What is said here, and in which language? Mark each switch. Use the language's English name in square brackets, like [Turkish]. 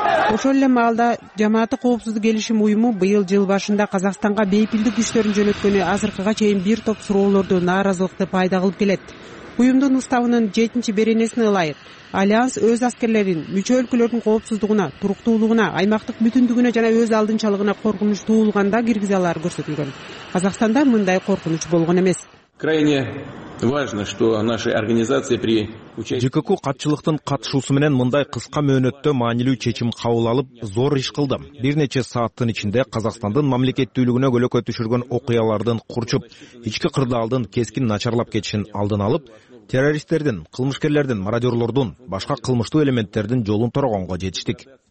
[Kyrgyz] Ошол эле маалда жамааттык коопсуздук келишим уюму быйыл жыл башында Казакстанга бейпилдик күчтөрүн жөнөткөнү азыркыга чейин бир топ суроолорду, нааразылыкты пайда кылып келет. Уюмдун уставынын 7-чи беренесине ылайык, Альянс өз аскерлерин, мүчө өлкөлөрдүн коопсуздугуна, туруктуулугуна, аймактык бүтүндүгүнө жана өз алдынчалыгына коркунуч туулганда киргизе алары көрсөтүлгөн. Казакстанда мындай коркунуч болгон эмес. [Russian] Крайне важно, что наша организация при [Kyrgyz] ЖКК катчылыктын катышуусу менен мындай кыска мөөнөттө маанилүү чечим кабыл алып, зор иш кылдым. Бир нече сааттын ичинде Казакстандын мамлекеттүүлүгүнө көлөкө түшүргөн окуялардын курчуп, ички кырдаалдын кескин начарлап кетишин алдын алып, террористтердин, кылмышкерлердин, мародёрлордун, башка кылмыштуу элементтердин жолун торогонго жетиштик.